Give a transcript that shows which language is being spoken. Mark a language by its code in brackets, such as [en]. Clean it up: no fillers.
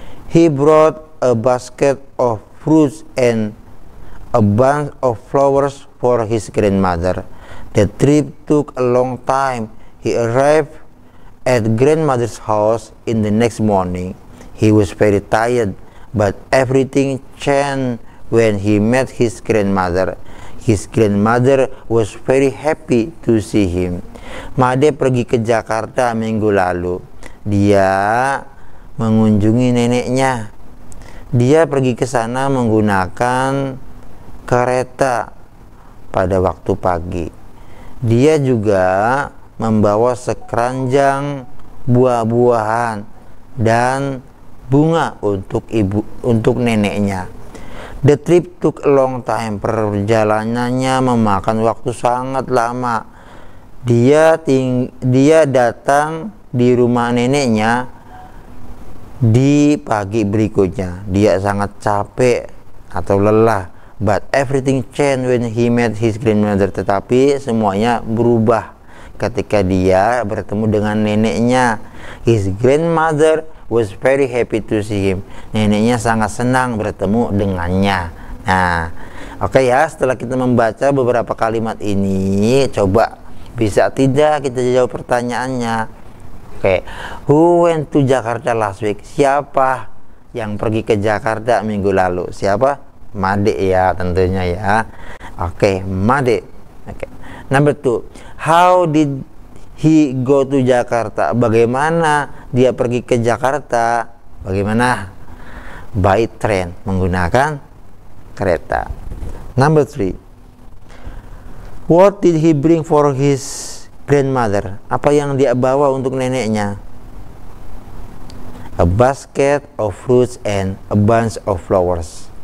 [en] He brought a basket of fruits and a bunch of flowers for his grandmother. The trip took a long time. He arrived at grandmother's house in the next morning. He was very tired, but everything changed when he met his grandmother. His grandmother was very happy to see him. [id] Made pergi ke Jakarta minggu lalu. Dia mengunjungi neneknya. Dia pergi ke sana menggunakan kereta pada waktu pagi. Dia juga membawa sekeranjang buah-buahan dan bunga untuk ibu, untuk neneknya. [en] The trip took a long time. [id] Perjalanannya memakan waktu sangat lama. Dia datang di rumah neneknya di pagi berikutnya. Dia sangat capek atau lelah. [en] But everything changed when he met his grandmother. [id] Tetapi semuanya berubah ketika dia bertemu dengan neneknya. [en] His grandmother was very happy to see him. [id] Neneknya sangat senang bertemu dengannya. Nah, oke ya, setelah kita membaca beberapa kalimat ini, coba bisa tidak kita jawab pertanyaannya? [en] Oke, who went to Jakarta last week? [id] Siapa yang pergi ke Jakarta minggu lalu? Siapa? Made ya, tentunya ya. Oke, Made. Oke. [en] Number two, how did he go to Jakarta? [id] Bagaimana dia pergi ke Jakarta? Bagaimana? [en] By train, [id] menggunakan kereta. [en] Number three, what did he bring for his grandmother? [id] Apa yang dia bawa untuk neneknya? [en] A basket of fruits and a bunch of flowers.